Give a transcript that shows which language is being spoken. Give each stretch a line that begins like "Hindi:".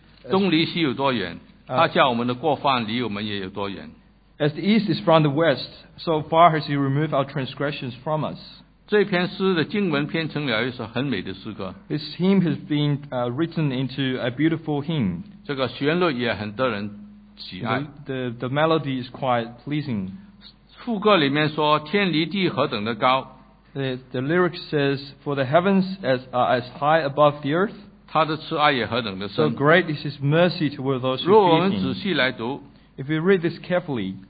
Chinese: 东离西有多远，他叫我们的过犯离我们也有多远。
English: As the east is from the west, so far has he removed our transgressions from us.
Chinese: 这篇诗的经文编成了一首很美的诗歌。
English: This hymn has been written into a beautiful hymn.
Chinese: 这个旋律也很得人喜爱。
English: The melody is quite pleasing.
Chinese: 副歌里面说天离地何等的高。
English: The lyric says, For the heavens as high above the earth,
Chinese: 他的慈爱也何等的深。
English: So great is his mercy toward those who fear him.
Chinese: 如果我们仔细来读,
English: If we read this carefully,